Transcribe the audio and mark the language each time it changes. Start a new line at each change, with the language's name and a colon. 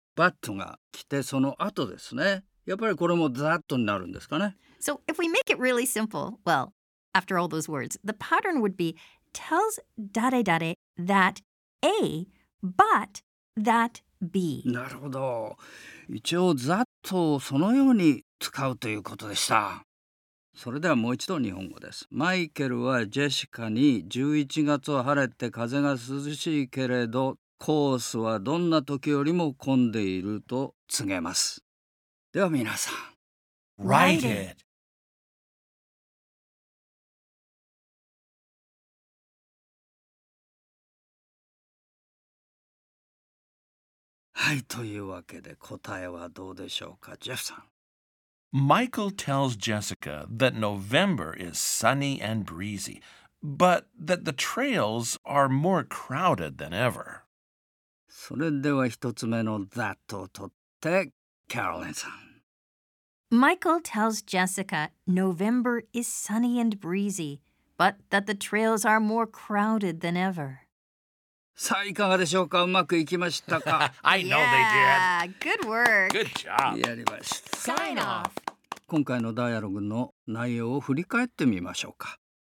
Japanese: But が来てその後ですね。やっぱりこれも that になるんですかね。
English: So if we make it really simple, well,after all those words, the pattern would be tells dare dare that A, but that B.
Japanese: なるほど。一応 that をそのように使うということでした。それではもう一度日本語です。マイケルはジェシカに11月は晴れて風が涼しいけれどコースはどんな時よりも混んでいると告げます。では皆さん。
English: Write it!
Japanese: はい、というわけで答えはどうでしょうか、ジェフさん。
English: Michael tells Jessica that November is sunny and breezy, but that the trails are more crowded than ever.
Japanese: それでは一つ目の that を取って、Carolyn さん。
English: Michael tells Jessica November is sunny and breezy, but that the trails are more crowded than ever.
Japanese: さあ、いかがでしょうか? うまくいきましたか?
English: I know they did. Yeah, good work. Good job.
Japanese: やりました。
English: Sign off.
Japanese: 今回のダイアログの内容を振り返ってみましょうか。